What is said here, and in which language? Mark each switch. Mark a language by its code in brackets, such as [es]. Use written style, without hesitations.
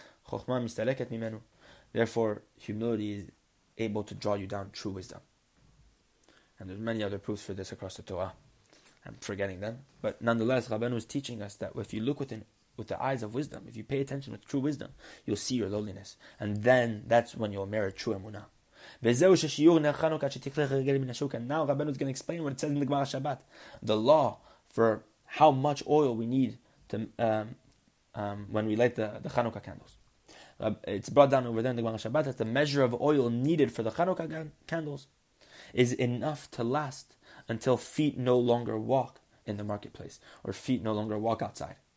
[he] Chokhmah mistaleket mimenu. [en] Therefore, humility is able to draw you down true wisdom. And there's many other proofs for this across the Torah. I'm forgetting them. But nonetheless, Rabbeinu is teaching us that if you look with the eyes of wisdom, if you pay attention with true wisdom, you'll see your lowliness. And then that's when you'll merit true emunah. [he] וזהו ששיעור נר חנוכה שתכלה רגל מן השוק. [en] And now Rabbeinu is going to explain what it says in the Gemara Shabbat. The law for how much oil we need to when we light the Chanukah candles. It's brought down over there in the Gemara Shabbat that the measure of oil needed for the Chanukah candles is enough to last until feet no longer walk in the marketplace or feet no longer walk outside.